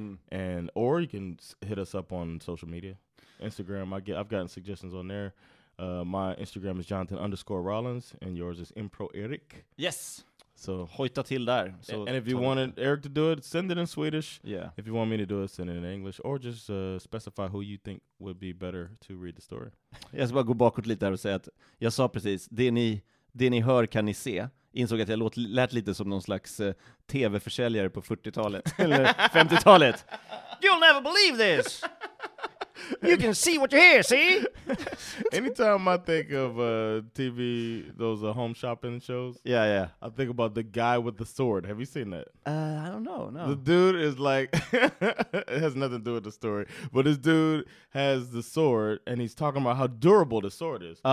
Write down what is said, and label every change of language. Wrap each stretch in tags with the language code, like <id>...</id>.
<en>And or you can hit us up on social media. Instagram, I've gotten suggestions on there. My Instagram is Jonathan_Rollins, and yours is ImproEric. Yes. So</en> <sv>hojta till där.</sv> <en>So and if you wanted Eric to do it, send it in Swedish. Yeah. If you want me to do it, send it in English, or just specify who you think would be better to read the story.</en> <sv>Jag ska bara gå bakåt lite här och säga att jag sa precis, det ni hör kan ni se. Insåg att jag lät lite som någon slags tv-försäljare på 40-talet eller 50-talet.</sv> <en>You'll never believe this! You can see what you hear, see? Anytime I think of TV, those home shopping shows. Yeah, yeah. I think about the guy with the sword. Have you seen that? I don't know, no. The dude is like, it has nothing to do with the story, but this dude has the sword, and he's talking about how durable the sword is.</en>